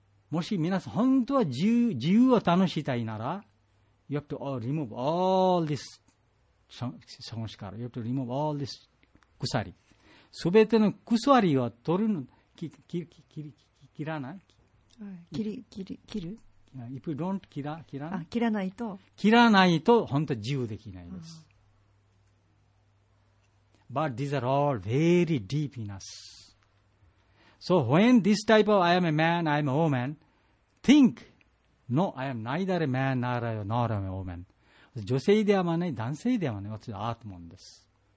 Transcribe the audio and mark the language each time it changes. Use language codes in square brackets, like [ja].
[ja] もし皆さん本当は自由を楽しみたいなら、 [en] You have to all remove all this samskara. You have to remove all this kusari. [ja] すべての kusari を取るの、切らない。切る。 [en] If you don't [ja] 切らない。切らないと。切らないと本当自由できないです。 [en] But these are all very deep in us. So when this type of I am a man, I am a woman, think. No, I am neither a man nor a woman. [ja] 女性ではない、男性ではない、私はアートモンです。